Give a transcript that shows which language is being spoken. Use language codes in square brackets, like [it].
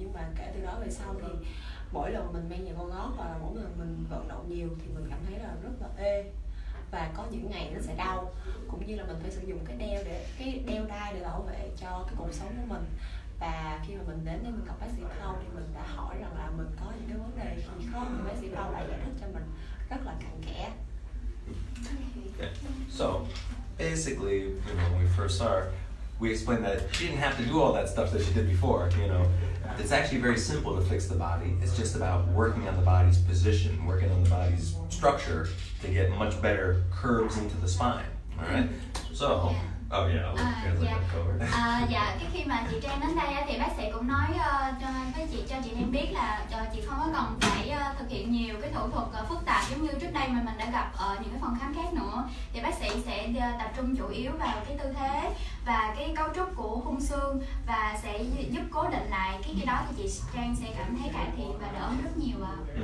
[vi] Nhưng mà kể từ đó về sau thì mỗi lần mình mang giày cao gót và mỗi lần mình vận động nhiều thì mình cảm thấy là rất là ê, và có những ngày nó sẽ đau, cũng như là mình phải sử dụng cái đeo, để cái đeo đai để bảo vệ cho cái cuộc sống của mình. Và khi mà mình đến mình gặp bác sĩ Cao thì mình đã hỏi rằng là mình có những cái vấn đề gì không, thì bác sĩ Cao đã giải thích cho mình rất là cặn kẽ. [en] So basically, you know, when we first start, we explained that she didn't have to do all that stuff that she did before, you know. It's actually very simple to fix the body. It's just about working on the body's position, working on the body's structure to get much better curves into the spine, all right? So, oh yeah, I'll look at that cover. [vi] Cái khi mà chị Trang đến đây thì bác sĩ cũng nói cho chị Trang biết là chị không có cần phải thực hiện nhiều cái thủ thuật phức tạp giống như trước đây mà mình đã gặp ở những cái phòng khám khác nữa. Thì bác sĩ sẽ tập trung chủ yếu vào cái tư thế và cái cấu trúc của khung xương và sẽ giúp cố định lại cái đó, thì chị Trang sẽ cảm thấy cải thiện và đỡ rất nhiều ạ.